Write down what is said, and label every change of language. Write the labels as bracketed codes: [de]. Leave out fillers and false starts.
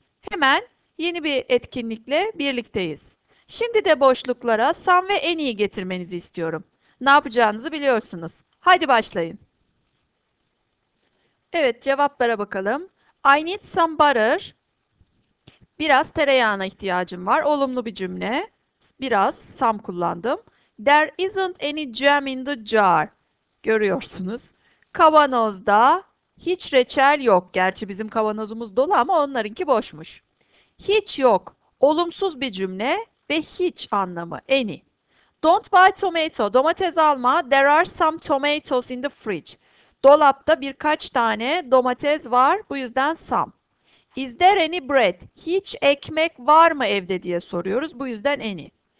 [tr] Hemen yeni bir etkinlikle birlikteyiz. Şimdi de boşluklara some ve any'yi getirmenizi istiyorum. Ne yapacağınızı biliyorsunuz. Hadi başlayın. Evet, cevaplara bakalım. [en] I need some butter. [tr] Biraz tereyağına ihtiyacım var. Olumlu bir cümle. Biraz some kullandım. [en] There isn't any jam in the jar. [tr] Görüyorsunuz. Kavanozda hiç reçel yok. Gerçi bizim kavanozumuz dolu ama onlarınki boşmuş. Hiç yok. Olumsuz bir cümle ve hiç anlamı. [en] Any. Don't buy tomato. [tr] Domates alma. [en] There are some tomatoes in the fridge. [tr] Dolapta birkaç tane domates var. Bu yüzden some. [en] Is there any bread? [tr] Hiç ekmek var mı evde diye soruyoruz. Bu yüzden any.